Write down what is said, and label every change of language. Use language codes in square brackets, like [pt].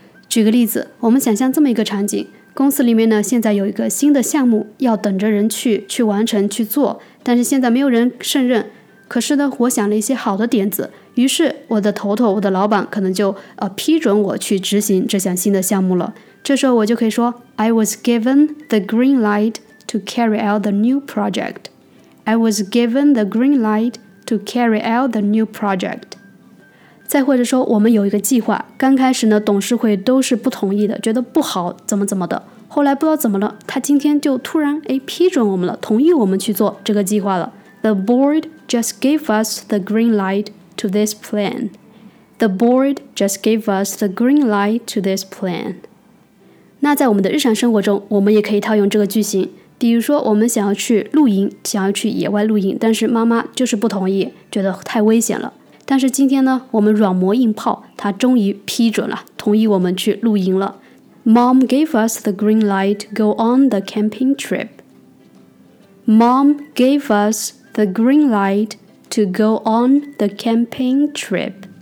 [zh] 举个例子，我们想象这么一个场景，公司里面呢，现在有一个新的项目要等着人去完成去做，但是现在没有人胜任。可是呢，我想了一些好的点子，于是我的头头，我的老板可能就批准我去执行这项新的项目了。这时候我就可以说 [en] I was given the green light to carry out the new project. I was given the green light to carry out the new project. [zh] 再或者说我们有一个计划，刚开始呢董事会都是不同意的，觉得不好怎么怎么的，后来不知道怎么了，他今天就突然批准我们了，同意我们去做这个计划了。 [en] The board just gave us the green light to this plan. The board just gave us the green light to this plan. [zh] 那在我们的日常生活中，我们也可以套用这个句型，比如说我们想要去露营，想要去野外露营，但是妈妈就是不同意，觉得太危险了。但是今天呢，我们软磨硬泡，他终于批准了，同意我们去露营了。 [en] Mom gave us the green light to go on the camping trip. Mom gave us the green light to go on the camping trip.